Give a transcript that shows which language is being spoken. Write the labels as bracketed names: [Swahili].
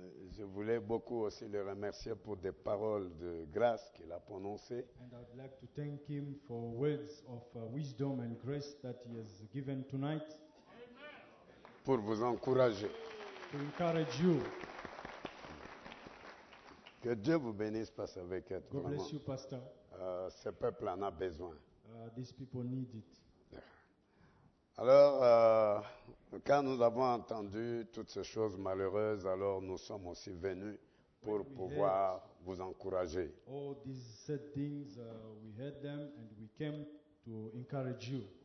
[French] Je voulais beaucoup aussi le remercier pour des paroles de grâce qu'il a prononcées. [English] And I'd like to thank him for words of wisdom and grace that he has given tonight. Amen. [French] Pour vous encourager. [English] To encourage you. [French] Que Dieu vous bénisse, Pastor Beckett. [English] God bless you, Pastor. [French] Ce peuple en a besoin. [English] These people need it. [French] Alors, quand nous avons entendu toutes ces choses malheureuses, alors nous sommes aussi venus pour pouvoir vous encourager. [English] All these sad things, we heard them and we came to encourage you.